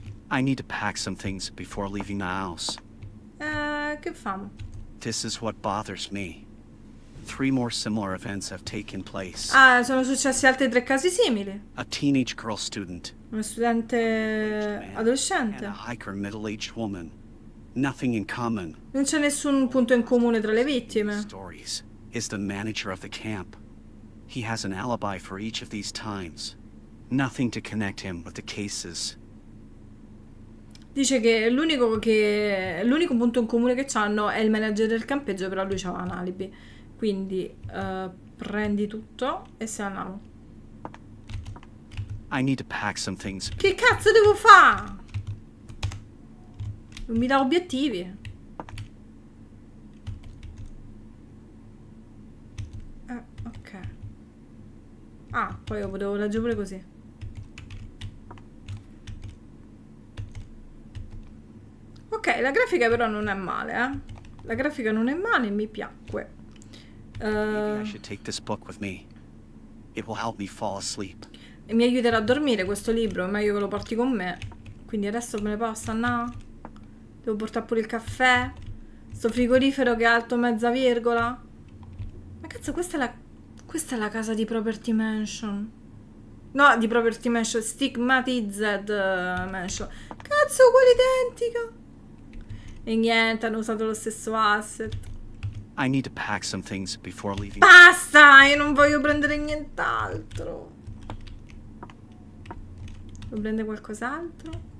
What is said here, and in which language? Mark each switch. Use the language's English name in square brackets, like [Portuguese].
[English] I need to pack some things before leaving the house. [Italian] Che fam? [English] This is what bothers me. Three more similar events have taken place. [Italian] Ah, sono successi altri tre casi simili. [English] A teenage girl student. [Italian] Una studente adolescente. [English] And a hiker middle-aged woman. Nothing in common. [Italian] Non c'è nessun punto in comune tra le vittime. [English] Stories is the manager of the camp. He has an alibi for each of these times. Nothing to connect him with the cases. [Italian] Dice che l'unico punto in comune che c'hanno è il manager del campeggio, però lui c'ha un alibi. Quindi prendi tutto e se andiamo. [English] I need to pack some things. [Italian] Che cazzo devo fare? Non mi dà obiettivi. Ok. Ah, poi devo leggere pure così. Ok, la grafica però non è male, eh. La grafica non è male e mi piacque. [English] Maybe I should take this book with me. It will help me fall asleep. [Italian] E mi aiuterà a dormire questo libro, è meglio che lo porti con me. Quindi adesso me ne posso andare? Devo portare pure il caffè? Sto frigorifero che è alto mezza virgola? Ma cazzo, questa è la casa di Property Mansion. No, di Property Mansion, Stigmatized Mansion. Cazzo, quella identica. E niente, hanno usato lo stesso asset. [English] I need to pack some things before leaving. [Italian] Basta, io non voglio prendere nient'altro. Devo prendere qualcos'altro?